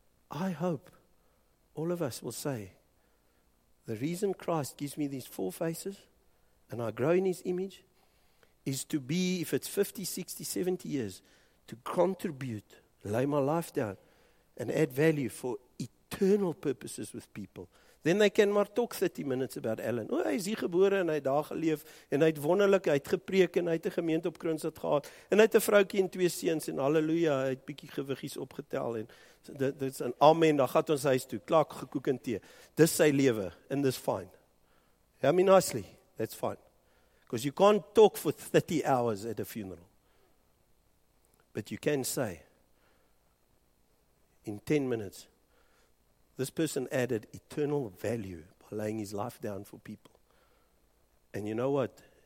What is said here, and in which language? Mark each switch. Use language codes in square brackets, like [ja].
[en] I hope all of us will say, the reason Christ gives me these four faces and I grow in his image is to be, if it's 50, 60, 70 years, to contribute, lay my life down, and add value for eternal purposes with people. Then they can maar talk 30 minutes about Alan. [af] Oh, hy is hier gebore en hy het daar geleef, en hy het wonderlik, hy het gepreek, en hy het 'n gemeente op Kroonstad gehad, en hy het 'n vroukie en twee seuns, en halleluja, hy het bietjie gewiggies opgetel, en dit is 'n amen, dan gaat ons huis toe, klak, gekoek en tee. Dis sy lewe, [en] and dis fine. I mean, honestly, that's fine. Because you can't talk for 30 hours at a funeral. But you can say, in 10 minutes, this person added eternal value by laying his life down for people. And you know what?